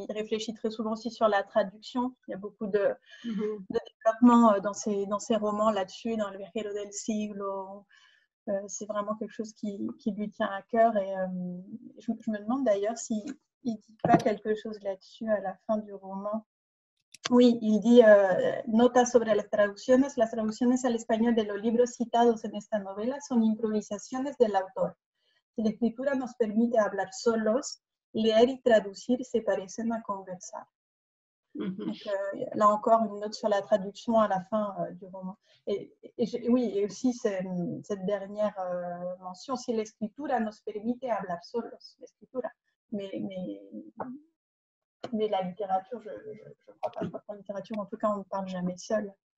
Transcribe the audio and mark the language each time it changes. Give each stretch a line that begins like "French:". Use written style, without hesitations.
French: Il réfléchit très souvent aussi sur la traduction. Il y a beaucoup de développement dans ses romans là-dessus, dans le Virgilio del Siglo. C'est vraiment quelque chose qui lui tient à cœur. Et je me demande d'ailleurs s'il ne dit pas quelque chose là-dessus à la fin du roman. Oui, il dit
Spanish: notas sobre las traducciones al español de los libros citados en esta novela son improvisaciones del autor. Si la escritura nos permite hablar solos, leer y traducir se parecen a conversar. Mm-hmm.
French: Donc, là encore, une note sur la traduction à la fin du roman. Et aussi cette dernière mention,
Spanish: si la escritura nos permite hablar solos,
French: l'escritura, mais la littérature, je crois pas qu'en littérature, en tout cas, on ne parle jamais seul.